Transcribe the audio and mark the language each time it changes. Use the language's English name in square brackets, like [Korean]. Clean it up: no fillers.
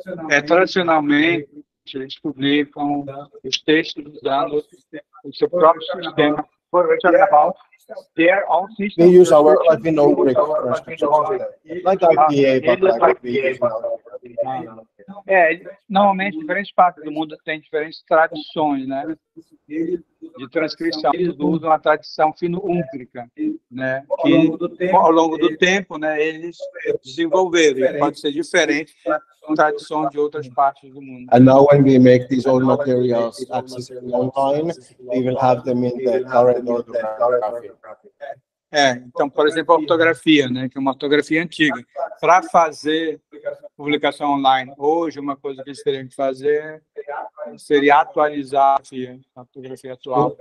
[Portuguese] Tradicionalmente, eles publicam os textos usando o seu próprio sistema. [English] They use our Ivanovic transcription system, like IPA, but [Portuguese] normalmente, diferentes partes do mundo têm diferentes tradições, né? De transcrição. Eles usam a tradição fino-úmbrica, né? Que, ao longo do tempo, né, eles desenvolveram. Pode ser diferente da tradição de outras partes do mundo. [English] And now when we make these old materials accessible online, we will have them in the current orthography. [Portuguese] Então, por exemplo, a ortografia, né, que é uma ortografia antiga. Para fazer publicação online hoje, uma coisa que eles teriam que fazer seria atualizar a ortografia atual.